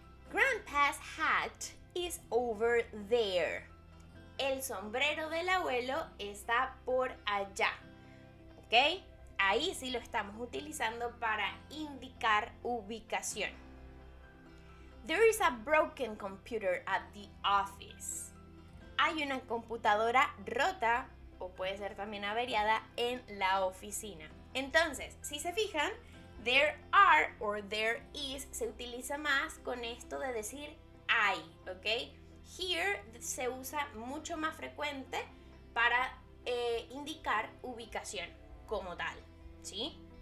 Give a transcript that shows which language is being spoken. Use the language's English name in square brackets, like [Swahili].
[English] Grandpa's hat is over there. [Spanish] El sombrero del abuelo está por allá, ¿ok? Ahí sí lo estamos utilizando para indicar ubicación. [English] There is a broken computer at the office. [Spanish] Hay una computadora rota, o puede ser también averiada, en la oficina. Entonces, si se fijan, there are o there is se utiliza más con esto de decir hay, ¿ok? Here se usa mucho más frecuente para indicar ubicación como tal, ¿sí?